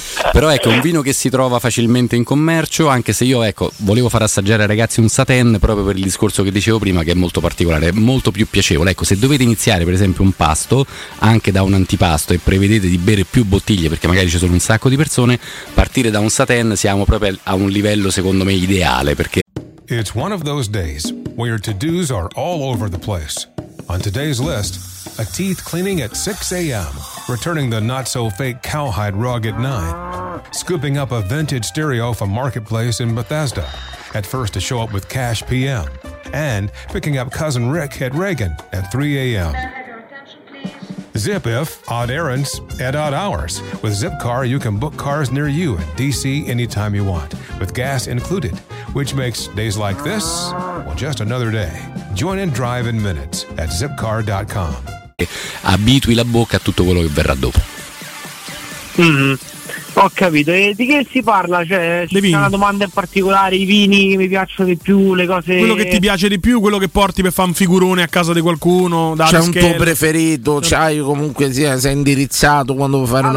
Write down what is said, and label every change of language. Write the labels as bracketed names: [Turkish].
[Italian] Però ecco, un vino che si trova facilmente in commercio, anche se io, ecco, volevo far assaggiare ragazzi un Satin proprio per il discorso che dicevo prima, che è molto particolare, è molto più piacevole. Ecco, se dovete iniziare per esempio un pasto anche da un antipasto e prevedete di bere più bottiglie perché magari ci sono un sacco di persone, partire da un Satin siamo proprio a un livello secondo me ideale, perché [English] it's one of those days where your to-dos are all over the place. On today's list, a teeth cleaning at 6 a.m. returning the not so fake cowhide rug at 9, scooping up a vintage stereo from Marketplace in Bethesda at first to show up with cash PM, and picking up cousin Rick at Reagan at 3 a.m. Zip if, odd errands at odd hours. With Zipcar, you can book cars near you in D.C. anytime you want, with gas included, which makes days like this, well, just another day. Join and drive in minutes at zipcar.com. [Italian] Abitui la bocca a tutto quello che verrà dopo. Ho capito, e di che si parla? Cioè, c'è una domanda in particolare, i vini che mi piacciono di più, le cose... Quello che ti piace di più, quello che porti per fare un figurone a casa di qualcuno, da c'è un tuo preferito, c'hai comunque sei indirizzato quando vuoi fare